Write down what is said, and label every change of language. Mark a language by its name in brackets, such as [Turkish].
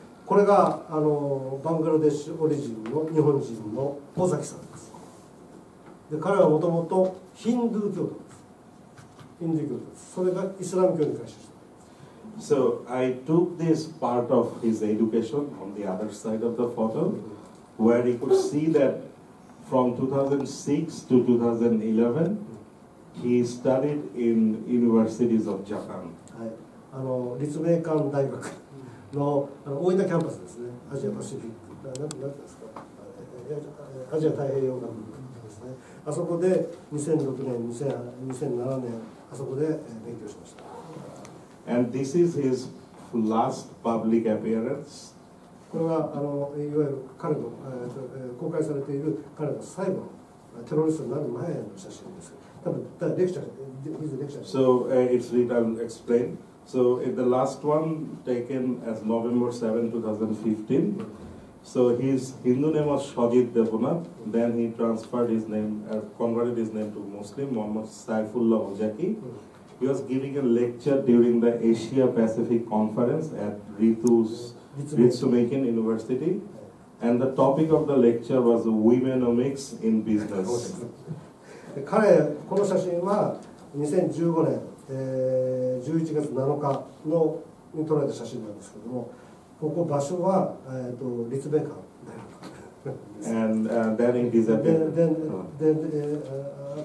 [Japanese] これがあのバングラデシュオリジンの日本人の尾崎さんです。で彼はもともとヒンドゥー教徒です。ヒンドゥー教徒です。それがイスラム教に改宗した。 [English] So I took this part of his education on the other side of the photo, where he could see that from 2006 to 2011, he studied in universities of Japan. [Japanese] はい。あの立命館大学。の大分キャンパスですね、アジアパシフィック、アジア太平洋学部ですね、あそこで2006年、2007年、あそこで勉強しました。 [English] And this is his last public appearance. [Japanese] これはあのいわゆる彼の公開されている彼の最後のテロリストになる前の写真です。 [English] So it's written, explain. So the last one taken as November 7, 2015. So his Hindu name was Shajid Devonath. Then he transferred his name, converted his name to Muslim, Muhammad Saifullah Ozaki. He was giving a lecture during the Asia-Pacific conference at Ritsumeikan University. And the topic of the lecture was Womenomics in Business. [Japanese] この写真は2015年11月7日のに撮られた写真なんですけども、ここ場所は、立命館大学です。